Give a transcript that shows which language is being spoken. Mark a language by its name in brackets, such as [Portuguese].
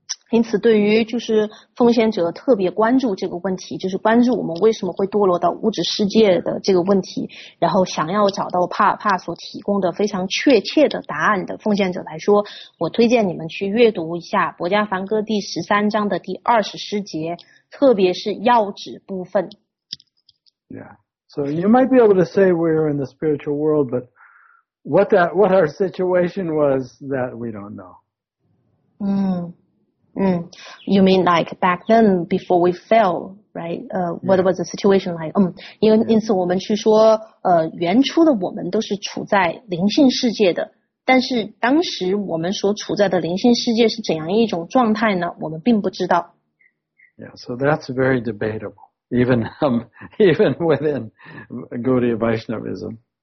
[Chinese] 因此对于就是奉献者特别关注这个问题，就是关注我们为什么会堕落到物质世界的这个问题，然后想要找到帕帕所提供的非常确切的答案的奉献者来说，我推荐你们去阅读一下《薄伽梵歌》第13章的第20诗节，特别是要旨部分。 [English] So you might be able to say we're in the spiritual world, but what our situation was, that we don't know. You mean like back then, before we fell, right? What was the situation like? [Chinese] 因为因此我们去说，原初的我们都是处在灵性世界的，但是当时我们所处在的灵性世界是怎样一种状态呢？我们并不知道。 [English] Yeah, so that's very debatable, even within Gaudiya Vaishnavism.